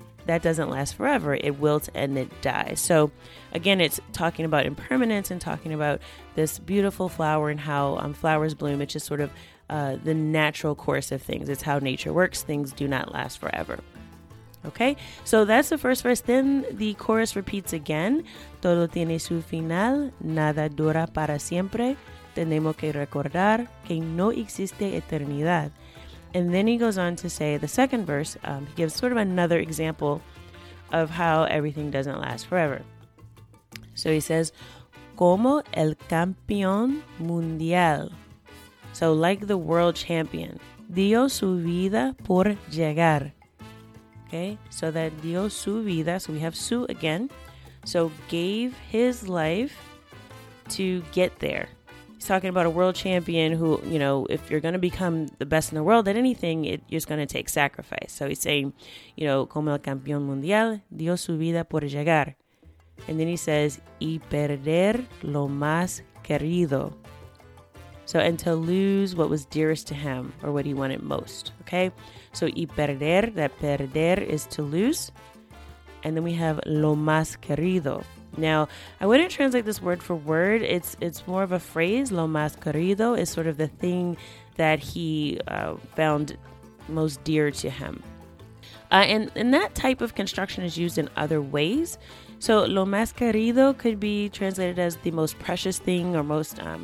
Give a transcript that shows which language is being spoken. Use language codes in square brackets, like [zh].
[en] that doesn't last forever. It wilts and it dies. So again, it's talking about impermanence and talking about this beautiful flower and how flowers bloom. It's just sort of the natural course of things. It's how nature works. Things do not last forever. Okay, so that's the first verse. Then the chorus repeats again. [es] Todo tiene su final, nada dura para siempre. Tenemos que recordar que no existe eternidad. [en] And then he goes on to say the second verse. He gives sort of another example of how everything doesn't last forever. So he says, [es] como el campeón mundial. [en] So like the world champion, [es] dio su vida por llegar. [en] Okay, so that [es] dio su vida, [en] so we have su again, so gave his life to get there. He's talking about a world champion who, you know, if you're going to become the best in the world at anything, it's going to take sacrifice. So he's saying, you know, [es] como el campeón mundial, dio su vida por llegar. [en] And then he says, [es] y perder lo más querido. [en] So, and to lose what was dearest to him or what he wanted most, okay? So, [es] y perder, [en] that perder is to lose. And then we have [es] lo más querido. [en] Now, I wouldn't translate this word for word. It's more of a phrase. [es] Lo más querido [en] is sort of the thing that he found most dear to him. And that type of construction is used in other ways. So, [es] lo más querido [en] could be translated as the most precious thing or most...